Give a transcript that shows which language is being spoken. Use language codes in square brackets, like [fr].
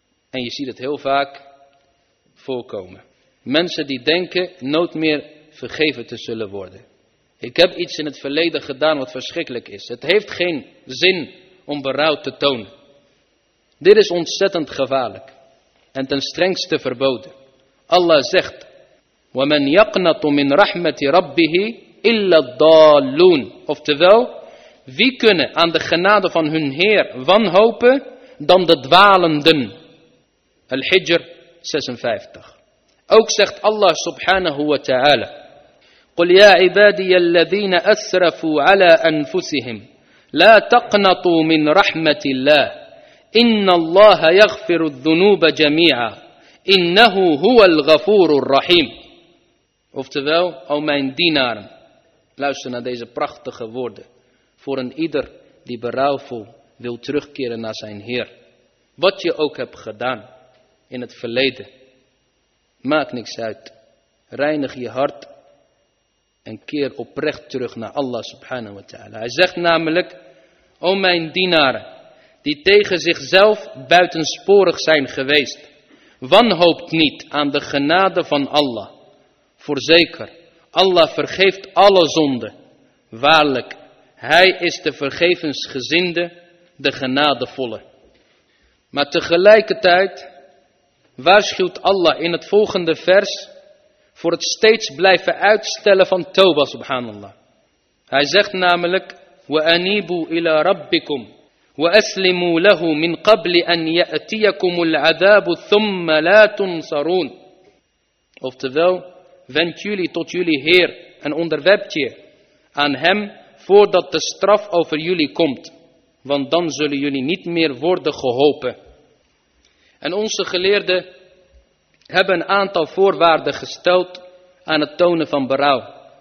[nl] En je ziet het heel vaak voorkomen. Mensen die denken nooit meer vergeven te zullen worden. Ik heb iets in het verleden gedaan wat verschrikkelijk is. Het heeft geen zin om berouw te tonen. Dit is ontzettend gevaarlijk. En ten strengste verboden. Allah zegt: [ar] وَمَنْ يَقْنَطُ مِنْ رَحْمَةِ رَبِّهِ إِلَّا الضَّالُونَ. [nl] Oftewel, wie kunnen aan de genade van hun Heer wanhopen dan de dwalenden? Al-Hijr 56. Ook zegt Allah subhanahu wa ta'ala: [ar] قُلْ يَا عِبَادِيَ الَّذِينَ أَسْرَفُوا عَلَىٰ أَنفُسِهِمْ لَا تَقْنَطُوا مِنْ رَحْمَةِ اللَّهِ إِنَّ اللَّهَ يَغْفِرُ الذُّنُوبَ جَمِيعًا إِنَّهُ هُوَ الْغَفُورُ الرَّحِيمُ. [nl] Oftewel, o mijn dienaren, luister naar deze prachtige woorden voor een ieder die berouwvol wil terugkeren naar zijn Heer. Wat je ook hebt gedaan in het verleden, maakt niks uit. Reinig je hart en keer oprecht terug naar Allah subhanahu wa ta'ala. Hij zegt namelijk: o mijn dienaren die tegen zichzelf buitensporig zijn geweest, wanhoopt niet aan de genade van Allah. Voorzeker, Allah vergeeft alle zonden. Waarlijk, Hij is de vergevensgezinde, de genadevolle. Maar tegelijkertijd waarschuwt Allah in het volgende vers voor het steeds blijven uitstellen van tauba, subhanallah. Hij zegt namelijk: [ar] وَأَنِيبُوا إِلَىٰ رَبِّكُمْ وَأَسْلِمُوا لَهُ مِنْ قَبْلِ أَنْ يَأْتِيَكُمُ الْعَذَابُ ثُمَّ لَا تُنْصَرُونَ. [nl] Oftewel, wend jullie tot jullie Heer en onderwerpt je aan Hem voordat de straf over jullie komt, want dan zullen jullie niet meer worden geholpen. En onze geleerden hebben een aantal voorwaarden gesteld aan het tonen van berouw.